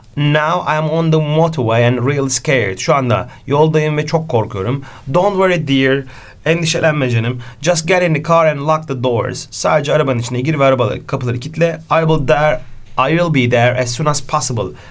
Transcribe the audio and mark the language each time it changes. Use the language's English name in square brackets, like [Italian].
[English] Now I am on the motorway and really scared. [Turkish] Şu anda yoldayım ve çok korkuyorum. [English] Don't worry dear. [Turkish] Endişelenme canım. [English] Just get in the car and lock the doors. [Turkish] Sadece arabanın içine gir ve arabalı kapıları kitle. [English] I will be there as soon as possible.